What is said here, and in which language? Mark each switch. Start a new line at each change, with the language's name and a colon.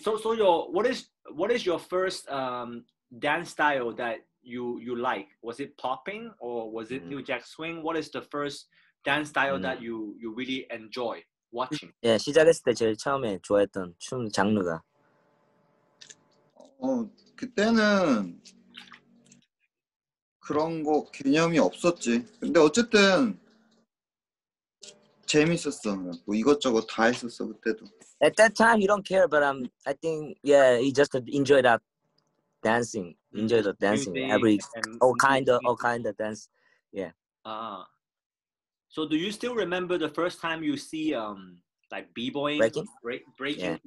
English: So your what is your first dance style that you like? Was it popping or was it New Jack Swing? What is the first dance style that you really enjoy watching?
Korean: Yeah, 시작했을 때 제일 처음에 좋아했던 춤 장르가 그때는 그런 거 개념이 없었지. 근데 어쨌든 재밌었어. 뭐 이것저것 다 했었어 그때도.
English: At that time you don't care, but I think yeah, you just enjoy that dancing. Enjoy the dancing, every all kind of dance, yeah. So do you still remember the first time you see like b-boying, breaking yeah.